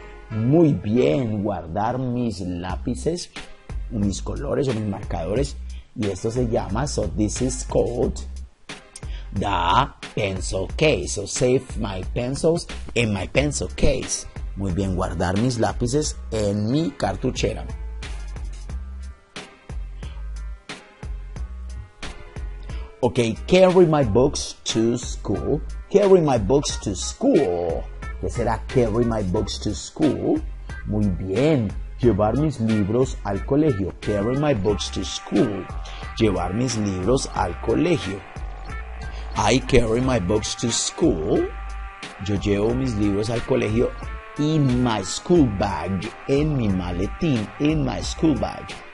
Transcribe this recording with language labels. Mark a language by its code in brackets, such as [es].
[es] Muy bien, guardar mis lápices, mis colores o mis marcadores. Y esto se llama, [en] so this is called the pencil case. So save my pencils in my pencil case. [es] Muy bien, guardar mis lápices en mi cartuchera. [en] Ok, carry my books to school. Carry my books to school. [es] ¿Qué será [en] carry my books to school? [es] Muy bien, llevar mis libros al colegio. [en] Carry my books to school. [es] Llevar mis libros al colegio. [en] I carry my books to school. [es] yo llevo mis libros al colegio [en] in my school bag, [es] en mi maletín, in my school bag.